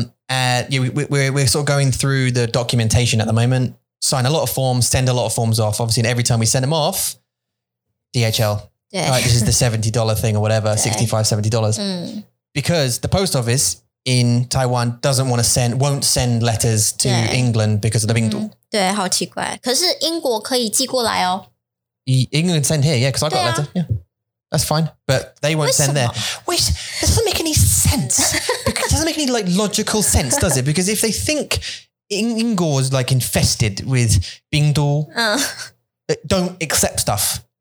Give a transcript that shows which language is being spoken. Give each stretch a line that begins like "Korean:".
English: And yeah, we're sort of going through the documentation at the moment. Sign a lot of forms, send a lot of forms off. Obviously, and every time we send them off, DHL. Yeah. Right, this is the $70 thing or whatever, yeah. $65, $70. Mm. Because the post office in Taiwan doesn't want to send, won't send letters to yeah. England because of the 病毒.
Chinese: 对,好奇怪。可是英国可以寄过来哦。
English: England send here, yeah, because I got a letter. Yeah. That's fine, but they won't send there. Wait, this doesn't make any sense. It doesn't make any like logical sense, does it? Because if they think Ingo is like infested with 病毒, don't accept stuff.